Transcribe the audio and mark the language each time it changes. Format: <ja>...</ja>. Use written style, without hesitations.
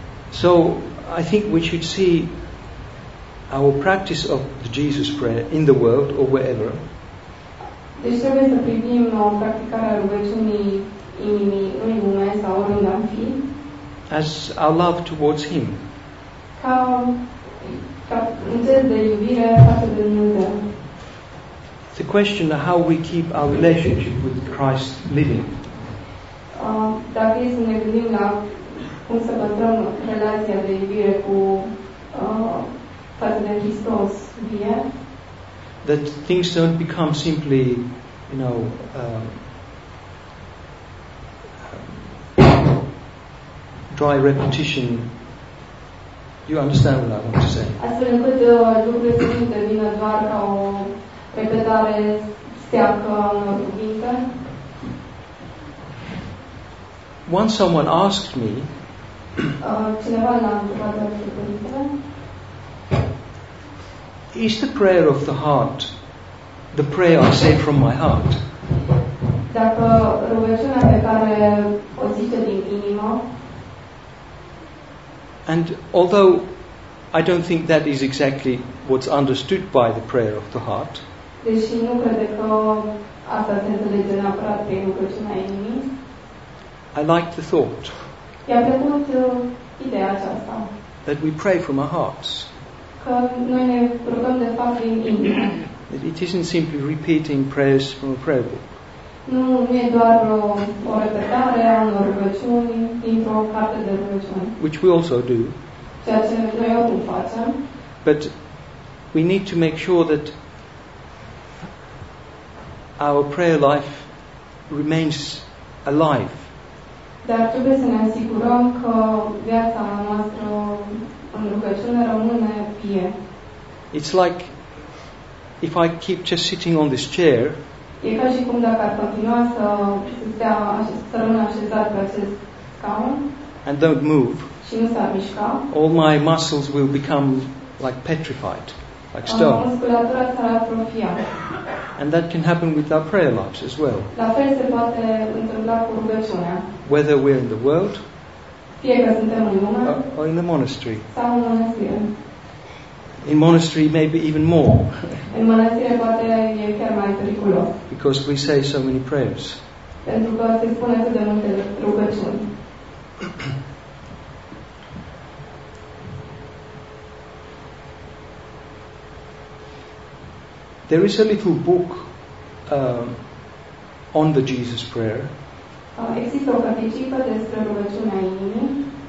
<en>So I think we should see our practice of the Jesus Prayer in the world or wherever.</en> <ro>Deci trebuie să privim practicarea rugăciunii inimii în lume sau oriunde am fi.</ro> <en>As our love towards Him.</en> <ro>Ca un gest de iubire față de Dumnezeu.</ro> <en>The question of how we keep our relationship with Christ living.</en> <ro>Dacă e să ne gândim la cum să păstrăm relația de iubire cu față de Hristos vie.</ro> <en>That things don't become simply, you know, dry repetition. You understand what I want to say?</en> <ro>Astfel încât lucrurile să nu devină doar ca o repetare steacă a unor cuvinte.</ro> <en>Once someone asked me,</en> <ro>cineva l-a întrebat despre cuvinte.</ro> <en>Is the prayer of the heart the prayer I say from my heart?</en> <ro>Dacă rugăciunea pe care o zice din inimă.</ro> <en>And although I don't think that is exactly what's understood by the prayer of the heart.</en> <ro>Deși nu cred că asta se înțelege neapărat prin rugăciunea inimii.</ro> <en>I like the thought.</en> <ro>I-a plăcut ideea aceasta.</ro> <en>That we pray from our hearts.</en> <ro>Că noi ne rugăm de fapt prin inimă.</ro> <en>It isn't simply repeating prayers from a prayer book.</en> <ro>Nu, nu e doar o repetare a unor rugăciuni dintr-o carte de rugăciuni.</ro> <en>Which we also do.</en> <ro>Ceea ce noi oricum facem.</ro> <en>But we need to make sure that our prayer life remains alive.</en> <ro>Dar trebuie să ne asigurăm că viața noastră în rugăciune rămâne.</ro> <en>Yeah. It's like if I keep just sitting on this chair.</en> <ro>E ca și cum dacă ar continua să rămân așezat pe acest scaun.</ro> <en>And don't move.</en> <ro>Și nu s-ar mișca.</ro> <en>All my muscles will become like petrified, like stone.</en> <ro>Musculatura s-ar atrofia.</ro> <en>And that can happen with our prayer lives as well.</en> <ro>La fel se poate întâmpla cu rugăciunea.</ro> <en>Whether we're in the world.</en> <ro>Fie că suntem în lume.</ro> <en>Or in the monastery.</en> <ro>Sau în monastie.</ro> <en>In monastery, maybe even more.</en> <ro>În monastire poate e chiar mai periculos.</ro> <en>Because we say so many prayers.</en> <ro>Pentru că se spune atât de multe rugăciuni.</ro> <en>There is a little book on the Jesus Prayer.</en> <ro>Există o carticică despre rugăciunea inimii.</ro>